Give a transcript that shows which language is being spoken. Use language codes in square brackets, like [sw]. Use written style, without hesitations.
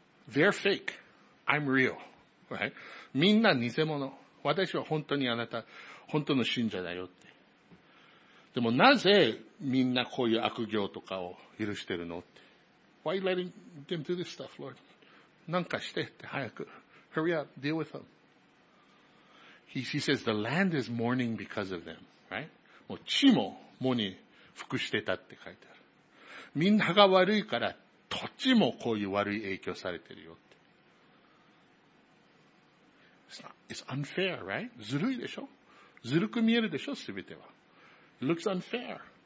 [en] They're fake. I'm real, right? [ja] みんな偽物。私は本当にあなた、本当の信者だよって。でもなぜみんなこういう悪行とかを許してるのって。 [en] Why are you letting them do this stuff, Lord? [ja] なんかしてって早く。 [en] Hurry up, deal with them. He says the land is mourning because of them, right? [ja] もう地も藻に服してたって書いてある。みんなが悪いから土地もこういう悪い影響されてるよ。 [en] It's unfair, right? [ja] ずるいでしょ?ずるく見えるでしょ?すべては。 [en] It looks unfair.